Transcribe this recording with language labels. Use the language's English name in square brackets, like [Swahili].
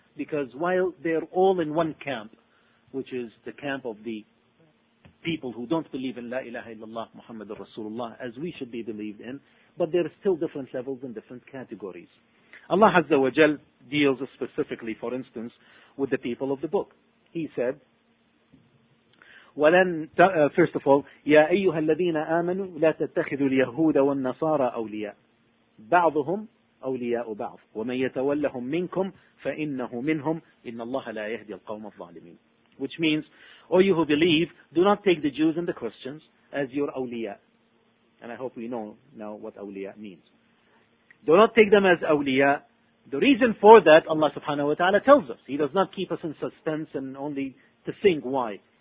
[English] Because while they're all in one camp, which is the camp of the people who don't believe in La ilaha illallah Muhammadur Rasulullah as we should be believed in, but there are still different levels and different categories. Allah Azza wa Jal deals specifically, for instance, with the people of the book. He said, [Arabic] ولن [English] first of all, [Arabic] يا أيها الذين آمنوا لا تتخذوا اليهود والنصارى أولياء بعضهم أولياء بعض ومن يتولهم منكم فإنه منهم إن الله لا يهدي القوم الظالمين. [English] Which means, O you who believe, do not take the Jews and the Christians as your awliya. And I hope we know now what awliya means. Do not take them as awliya. The reason for that, Allah subhanahu wa ta'ala tells us. He does not keep us in suspense and only to think why.